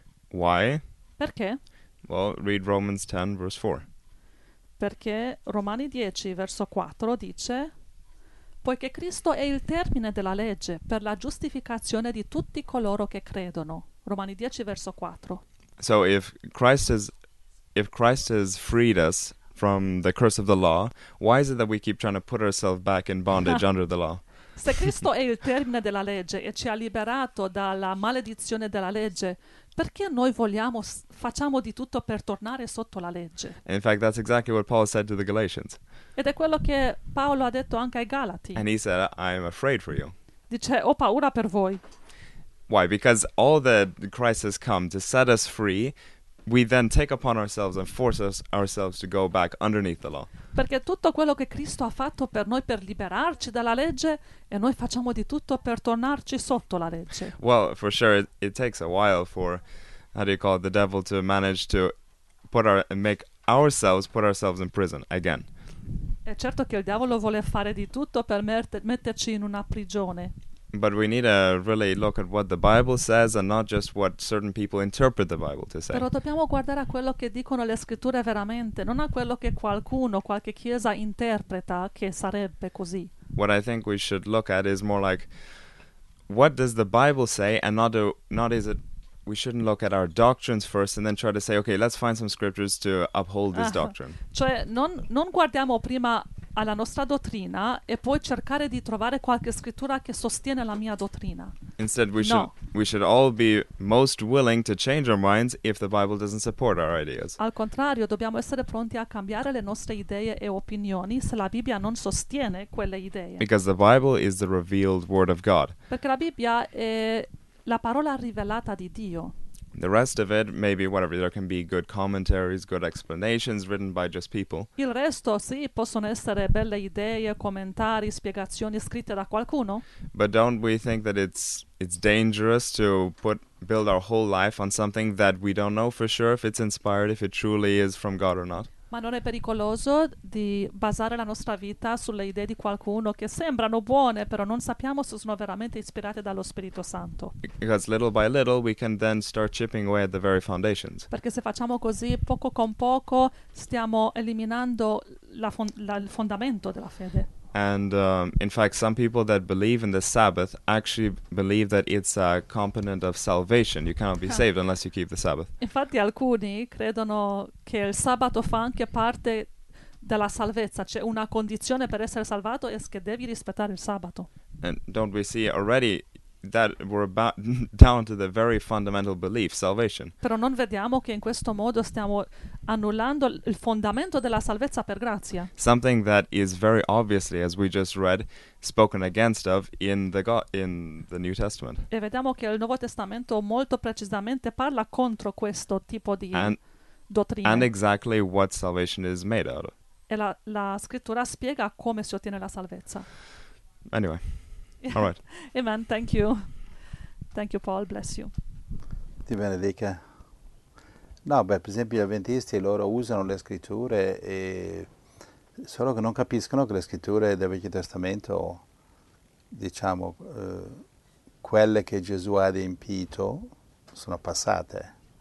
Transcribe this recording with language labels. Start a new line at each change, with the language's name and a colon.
English: Why?
Italian: Perché?
English: Well, read Romans 10, verse 4.
Italian: Perché Romani 10, verso 4, dice: poiché Cristo è il termine della legge per la giustificazione di tutti coloro che credono. Romani 10, verso 4.
English: So if Christ has freed us from the curse of the law, why is it that we keep trying to put ourselves back in bondage under the law?
Italian: Se Cristo è il termine della legge e ci ha liberato dalla maledizione della legge, perché noi vogliamo, facciamo di tutto per tornare sotto la legge?
English: In fact, that's exactly what Paul said to the Galatians.
Italian: Ed è quello che Paolo ha detto anche ai Galati.
English: And he said, I'm afraid for you.
Italian: Dice, ho paura per voi.
English: Why? Because all that Christ has come to set us free, we then take upon ourselves and force ourselves to go back underneath the law.
Italian: Perché tutto quello che Cristo ha fatto per noi per liberarci dalla legge, e noi facciamo di tutto per tornarci sotto la legge.
English: Well, for sure, it takes a while for, how do you call it, the devil to manage to make ourselves in prison again.
Italian: È certo che il diavolo vuole fare di tutto per metterci in una prigione.
English: But we need to really look at what the Bible says and not just what certain people interpret the Bible to say.
Italian: Però dobbiamo guardare a quello che dicono le scritture veramente, non a quello che qualcuno, qualche chiesa interpreta che sarebbe così.
English: What I think we should look at is more like, what does the Bible say, and we shouldn't look at our doctrines first and then try to say, okay, let's find some scriptures to uphold this doctrine.
Italian: Cioè, non guardiamo prima alla nostra dottrina e poi cercare di trovare qualche scrittura che sostiene la mia dottrina.
English: Instead, we should all be most willing to change our minds if the Bible doesn't support our ideas.
Italian: Al contrario, dobbiamo essere pronti a cambiare le nostre idee e opinioni se la Bibbia non sostiene quelle idee.
English: Because the Bible is the revealed word of God.
Italian: Perché la Bibbia è la parola rivelata di Dio.
English: The rest of it, maybe whatever, there can be good commentaries, good explanations written by just people.
Italian: Il resto, sì, possono essere belle idee, commentari, spiegazioni scritte da qualcuno.
English: But don't we think that it's dangerous to build our whole life on something that we don't know for sure if it's inspired, if it truly is from God or not?
Italian: Ma non è pericoloso di basare la nostra vita sulle idee di qualcuno che sembrano buone, però non sappiamo se sono veramente ispirate dallo Spirito Santo?
English: Because little by little we can then start chipping away at the very foundations.
Italian: Perché se facciamo così, poco con poco, stiamo eliminando il fondamento della fede.
English: And in fact, some people that believe in the Sabbath actually believe that it's a component of salvation. You cannot be saved unless you keep the Sabbath.
Italian: Infatti, alcuni credono che il sabato fa anche parte della salvezza. C'è una condizione per essere salvato, è che devi rispettare il sabato.
English: And don't we see already that we're about down to the very fundamental belief, salvation?
Italian: Però non vediamo che in questo modo stiamo annullando il fondamento della salvezza per grazia.
English: Something that is very obviously, as we just read, spoken against of in the New Testament.
Italian: E vediamo che il Nuovo Testamento molto precisamente parla contro questo tipo di dottrina.
English: And exactly what salvation is made out of.
Italian: E la scrittura spiega come si ottiene la salvezza.
English: Anyway. All right. Amen. Thank you. Thank you, Paul. Bless you.
Italian: Ti benedica. No, beh, per esempio gli avventisti, loro usano le scritture e solo che non capiscono che le scritture del Vecchio Testamento, diciamo, quelle che Gesù ha adempito, sono passate.